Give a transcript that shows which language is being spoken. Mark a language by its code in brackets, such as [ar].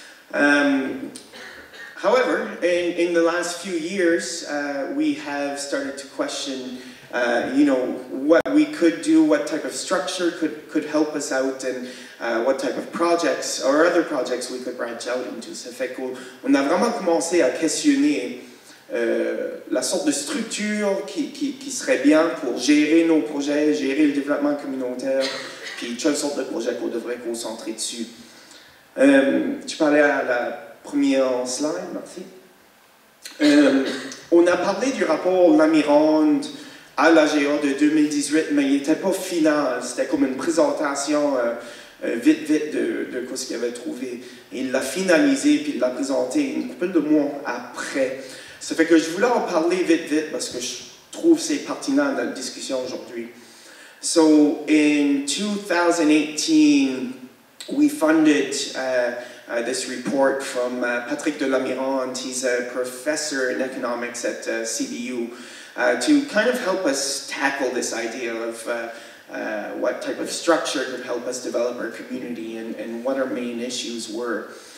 [en] However, in the last few years, we have started to question, what we could do, what type of structure could help us out, and what type of projects or other projects we could branch out into. [fr] Ça fait qu'on a vraiment commencé à questionner la sorte de structure qui serait bien pour gérer nos projets, gérer le développement communautaire, puis quelle sorte de projet qu'on devrait concentrer dessus. Tu parlais à la première slide, merci. On a parlé du rapport Lamironde à l'AGA de 2018, mais il n'était pas final. C'était comme une présentation vite de ce qu'il avait trouvé. Et il l'a finalisé puis il l'a présenté une couple de mois après. Ça fait que je voulais en parler vite parce que je trouve que c'est pertinent dans la discussion aujourd'hui. [en] So, in 2018, we funded this report from Patrick de Lamirand. He's a professor in economics at CBU to kind of help us tackle this idea of what type of structure could help us develop our community and what our main issues were.